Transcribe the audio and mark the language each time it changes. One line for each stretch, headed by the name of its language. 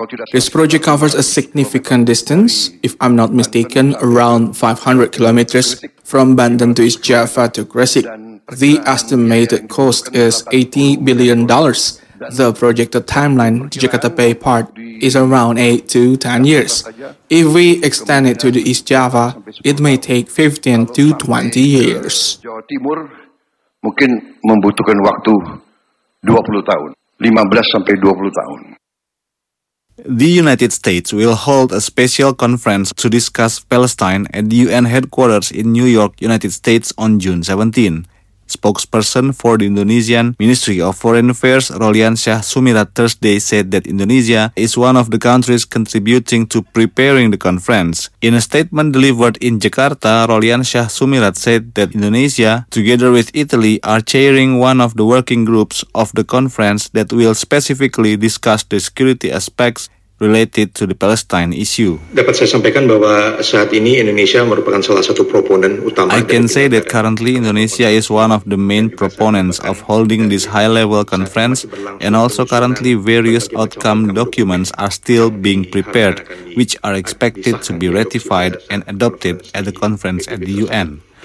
English: This project covers a significant distance, if I'm not mistaken, around 500 kilometers from Banten to East Java to Gresik. The estimated cost is $80 billion. The projected timeline, the Jakarta Bay part, is around 8 to 10 years. If we extend it to the East Java, it may take 15 to 20 years.
Indonesian: Mungkin membutuhkan waktu 20 tahun, 15 sampai 20 tahun.
English: The United States will hold a special conference to discuss Palestine at the UN headquarters in New York, United States on June 17. Spokesperson for the Indonesian Ministry of Foreign Affairs, Roliansyah Sumirat Thursday, said that Indonesia is one of the countries contributing to preparing the conference. In a statement delivered in Jakarta, Roliansyah Sumirat said that Indonesia, together with Italy, are chairing one of the working groups of the conference that will specifically discuss the security aspects related to the Palestine issue.
Indonesian: Dapat saya sampaikan bahwa saat ini Indonesia merupakan salah satu proponen utama.
English: I can say that currently Indonesia is one of the main proponents of holding this high-level conference, and also currently various outcome documents are still being prepared, which are expected to be ratified and adopted at the conference at the UN.